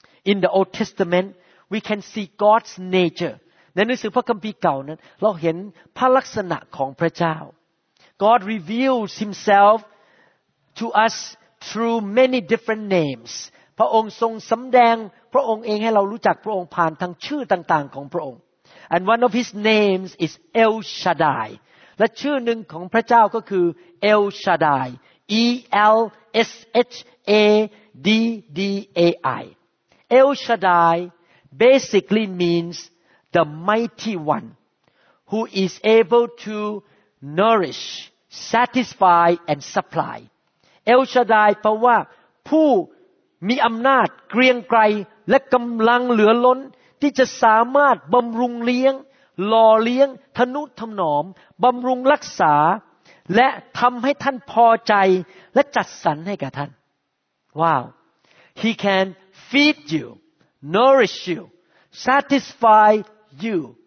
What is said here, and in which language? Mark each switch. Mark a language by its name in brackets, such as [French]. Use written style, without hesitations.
[English] in the Old Testament we can see God's nature [Thai] ในหนังสือพระคัมภีร์เก่านั้นเราเห็นพระลักษณะของพระเจ้า [English] God reveals himselfTo us through many different names, [Thai] พระองค์ทรงสำแดงพระองค์เองให้เรารู้จักพระองค์ผ่านทางชื่อต่างๆของพระองค์ [English] And one of his names is El Shaddai. [Thai] และชื่อหนึ่งของพระเจ้าก็คือ El Shaddai, E L S H A D D A I. [English] El Shaddai basically means the mighty one who is able to nourish, satisfy, and supply. [Thai] เอลชาดายแปลว่าผู้มีอำนาจเกรียงไกรและกำลังเหลือล้นที่จะสามารถบำรุงเลี้ยงหล่อเลี้ยงทนุถนอมบำรุงรักษาและทำให้ท่านพอใจและจัดสรรให้กับท่านว้าว [English] He can feed you nourish you satisfy you